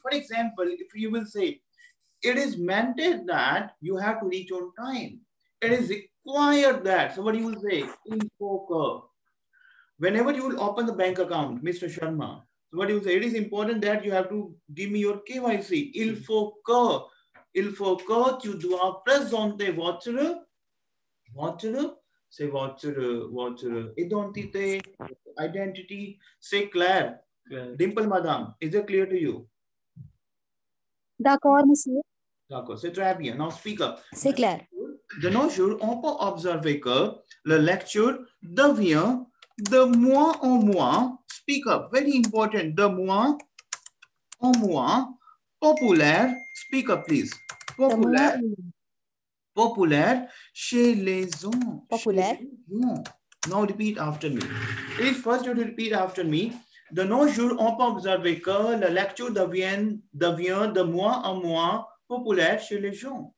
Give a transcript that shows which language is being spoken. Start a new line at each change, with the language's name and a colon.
English: For example, if you will say, it is mandated that you have to reach on time. It is required that. So what you will say?
French: Il faut que.
English: Whenever you will open the bank account, Mr. Sharma, what you say? It is important that you have to give me your KYC.
French: Il faut que. Il faut que tu dois présenter votre, votre, c'est votre, votre identité, identity, c'est clair. Clair.
English: Dimple, madame, is it clear to you?
French: D'accord, monsieur. D'accord, c'est très bien.
English: Now speak up.
French: C'est clair. De nos jours, on peut observer que la lecture devient de moins en moins,
English: speak up, very important,
French: de moins en moins, populaire,
English: speak up, please.
French: Populaire. Populaire chez les gens. Populaire.
English: Now repeat after me. Please first you have to repeat after me.
French: De nos jours, on peut observer que la lecture devient de moins en moins populaire chez les gens.